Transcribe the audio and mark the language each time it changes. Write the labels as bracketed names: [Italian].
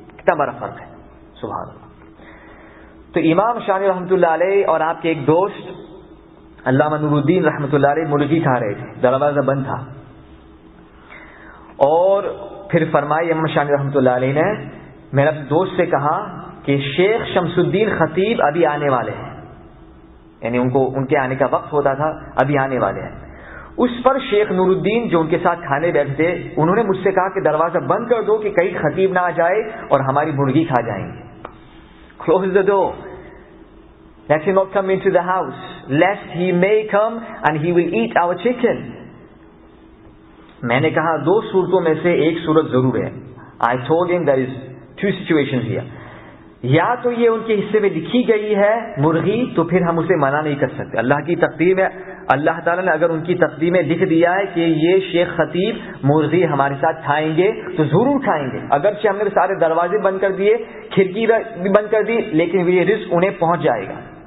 [Urdu] کتنا بڑا فرق ہے, سبحان اللہ. تو امام شاہ رحمۃ اللہ علیہ اور آپ کے ایک دوست علامہ نور الدین رحمۃ اللہ علیہ مرغی کھا رہے تھے, دروازہ بند تھا, اور پھر فرمائے امام شاہ رحمۃ اللہ علیہ نے میرے دوست سے کہا کہ شیخ شمس الدین خطیب ابھی آنے والے ہیں, یعنی ان کو ان کے آنے کا وقت ہوتا تھا, ابھی آنے والے ہیں. اس پر شیخ نور الدین جو ان کے ساتھ کھانے بیٹھتے انہوں نے مجھ سے کہا کہ دروازہ بند کر دو کہ کہیں خطیب نہ آ جائے اور ہماری مرغی کھا جائیں گے. [English] Close the door. Let him not come into the house, lest he may come and he will eat our chicken. [Urdu] میں نے کہا دو صورتوں میں سے ایک صورت ضرور ہے. [English] I told him there is two situations here. [Urdu] یا تو یہ ان کے حصے میں لکھی گئی ہے مرغی, تو پھر ہم اسے منع نہیں کر سکتے. اللہ کی تقدیر میں, اللہ تعالیٰ نے اگر ان کی تقدیر میں لکھ دیا ہے کہ یہ شیخ خطیب مرغی ہمارے ساتھ کھائیں گے تو ضرور کھائیں گے, اگرچہ ہم نے سارے دروازے بند کر دیے, کھڑکی بھی بند کر دی, لیکن یہ رزق انہیں پہنچ جائے گا.